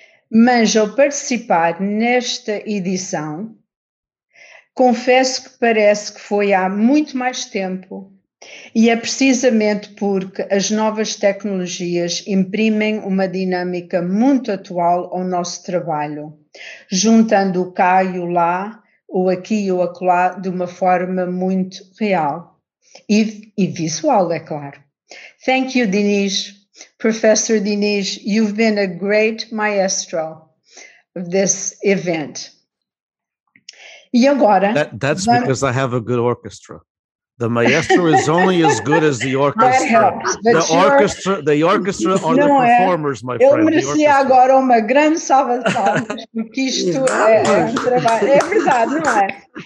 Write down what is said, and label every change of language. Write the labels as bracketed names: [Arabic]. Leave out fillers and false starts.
[Portuguese] Mas ao participar nesta edição, confesso que parece que foi há muito mais tempo, e é precisamente porque as novas tecnologias imprimem uma dinâmica muito atual ao nosso trabalho, juntando o cá e o lá, o aqui e o acolá, de uma forma muito real e visual, é claro. [English] Thank you, Diniz. Professor Diniz, you've been a great maestro of this event. [Portuguese] E agora... [English] Because I have a good orchestra. The maestro is only as good as the orchestra. The orchestra are the performers, my friend. [Portuguese] Eu merecia agora uma grande salva de palmas, porque isto é um trabalho... É verdade, não é?